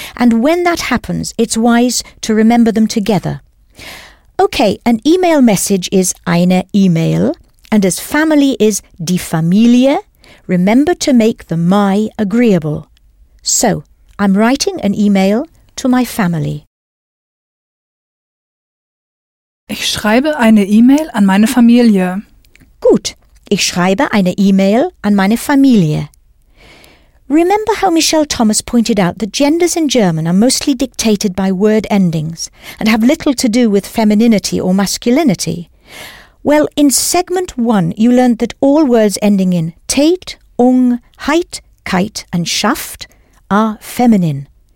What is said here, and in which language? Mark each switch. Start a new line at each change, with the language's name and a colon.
English: And when that happens, it's wise to remember them together. Okay, an email message is eine E-Mail, and as family is die Familie, remember to make the my agreeable. So, I'm writing an email to my family.
German: Ich schreibe eine E-Mail an meine Familie. Gut, ich schreibe eine E-Mail an meine Familie.
English: Remember how Michelle Thomas pointed out that genders in German are mostly dictated by word endings and have little to do with femininity or masculinity? Well, in segment one, you learned that all words ending in tät, ung, heit, kite and schaft are feminine.